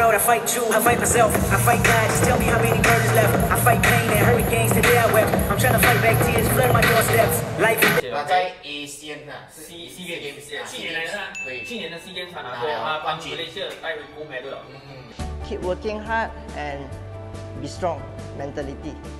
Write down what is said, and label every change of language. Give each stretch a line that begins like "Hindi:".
English: I fight myself, I fight God, just tell me how many burdens left. I fight pain and hurricanes today I wept. I'm trying to fight back tears, flood my doorsteps. Life is...
Chinese: 他在 ACN 啊，SEA Games 啊，去年的 SEA Games 他拿过，他帮马来西亚带回 gold medal。
English: Keep working hard and be strong mentality.